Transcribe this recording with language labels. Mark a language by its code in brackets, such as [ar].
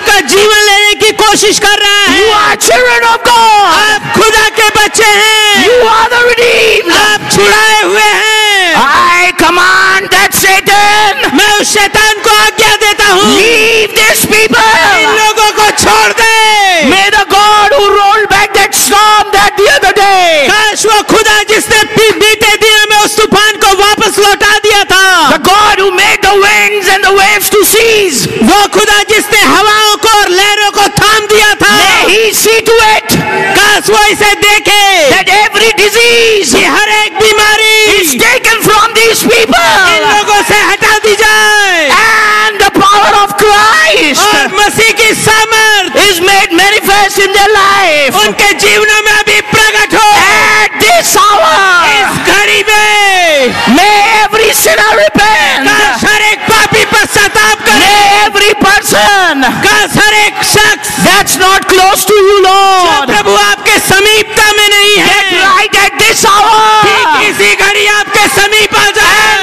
[hi] जीवन लेने की कोशिश कर रहा है, [en] You are children of God, [hi] आप खुदा के बच्चे हैं, [en] You are the redeemed, [hi] आप छुड़ाए हुए हैं, [en] I command that Satan, [hi] मैं उस शैतान को आज्ञा देता हूँ, [en] Leave this people, [hi] इन लोगों को छोड़ दे, [en] May the God who rolled back that storm that the other day, [hi] काश वो खुदा जिसने बीते दिनों में उस तूफान को वापस लौटा दिया था, [en] The God who made the winds and the waves to cease, [hi] वो खुदा जिसने हवाओं को और लहरों को थाम दिया था, [en] May he see to it, [hi] काश वो इसे देखे, [en] That every disease, [hi] ये हर एक बीमारी, [en] is taken from these people, [hi] इन लोगों से हटा दी जाए, [en] And the power of Christ, [hi] और मसीह की सामर्थ, [en] is made manifest in their life, [hi] उनके जीवनों में अभी प्रकट हो, [en] At this hour, [hi] इस घड़ी में, [en] May every sinner repent, [hi] काश हर एक पापी पश्चाताप करे, [en] person [hi] cause har ek shakhs [en] that's not close to you lord [hi] jo prabhu aapke sameepta mein nahi hai [en] get right at this hour [hi] kisi ghadi aapke sameep aa jaye